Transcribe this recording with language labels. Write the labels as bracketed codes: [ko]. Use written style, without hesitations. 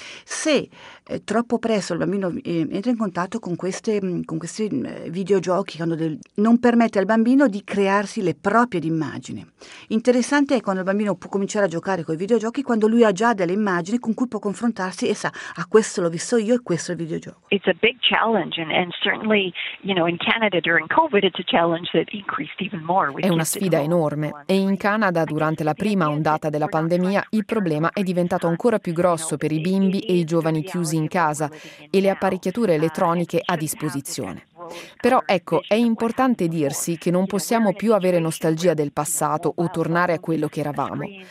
[it] Se troppo presto il bambino entra in contatto con questi videogiochi, non permette al bambino di crearsi le proprie immagini. Interessante è quando il bambino può cominciare a giocare con i videogiochi, quando lui ha già delle immagini con cui può confrontarsi e sa: a questo l'ho visto io e questo è il videogioco. [en] It's a big challenge and certainly, you know, in Canada during COVID it's a challenge that increased even more. [it] È una sfida enorme e in Canada durante la prima ondata della pandemia il problema è diventato ancora più grosso per i bimbi e i giovani chiusi in casa e le apparecchiature elettroniche a disposizione. Però ecco, è importante dirsi che non possiamo più avere nostalgia del passato o tornare a quello che eravamo.